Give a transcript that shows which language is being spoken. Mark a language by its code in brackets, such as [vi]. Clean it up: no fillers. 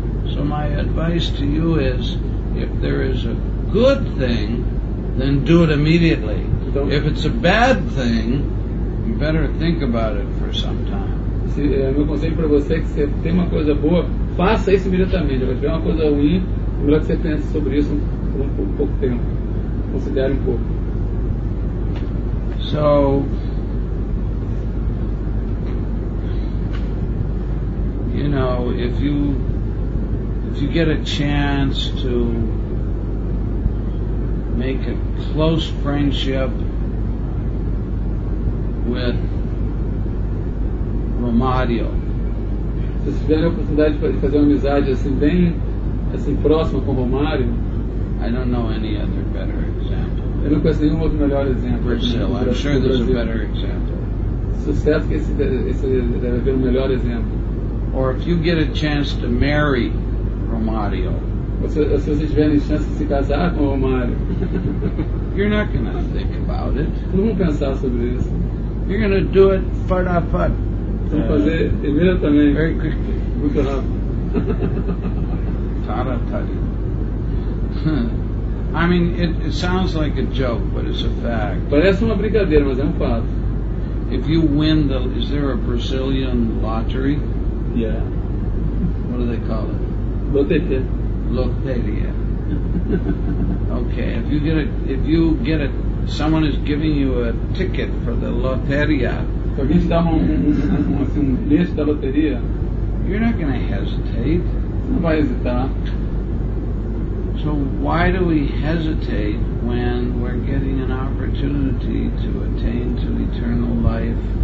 [en] So my advice to you is, if there is a good thing, then do it immediately. [pt] Então, [en] if it's a bad thing, you better think about it for some time. [pt] Meu conselho para você é que se tem uma coisa boa, faça isso imediatamente. Se tiver uma coisa ruim, melhor que você pense sobre isso por pouco tempo. Considere pouco. [en] So, you know, if you get a chance to make a close friendship with Romário. [pt] Se você tiver a oportunidade de fazer uma amizade assim bem assim próxima com Romário, [en] I don't know any other better example. [pt] Eu não conheço nenhum outro melhor exemplo. [en] Brazil, I'm sure there's a better example. [pt] Sucesso que esse deve haver um melhor exemplo. [en] Or if you get a chance to marry Romário. [pt] Se você tiver a chance de se casar com Romário, [en] you're not going to think about it. [pt] Não vão pensar sobre isso. [en] You're going to do it fart-a-fart. [pt] Vamos fazer imediatamente. [en] Very quickly. [pt] Muito rápido. [bn] Tara-tari. [en] I mean, it sounds like a joke, but it's a fact. [pt] Parece uma brincadeira, mas é um fato. [en] If you win the... Is there a Brazilian lottery? Yeah. What do they call it? [pt] Loteria. Loteria. [en] Okay, if you get a someone is giving you a ticket for the loteria. [pt] Se alguém te dá um bilhete da loteria, [en] you're not gonna hesitate. [pt] Não vai hesitar. [en] So why do we hesitate when we're getting an opportunity to attain to eternal life?